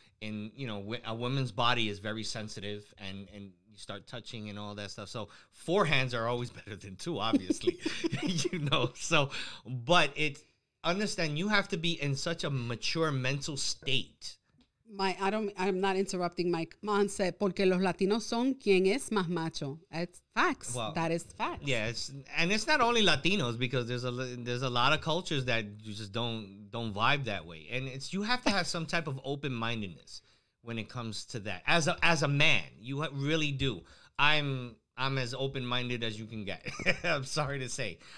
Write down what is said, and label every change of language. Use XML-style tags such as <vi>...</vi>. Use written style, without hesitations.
<en>in, you know, a woman's body is very sensitive and you start touching and all that stuff. So four hands are always better than two, obviously, you know. So, but it's, understand, you have to be in such a mature mental state. I'm not interrupting Mike. Man said,</en> <es>porque los Latinos son quien es más macho.</es> <en>That's facts. Well, that is facts. Yes. Yeah, and it's not only Latinos, because there's a lot of cultures that you just don't vibe that way. And it's, you have to have some type of open-mindedness when it comes to that. As a man, you really do. I'm as open-minded as you can get. I'm sorry to say.</en>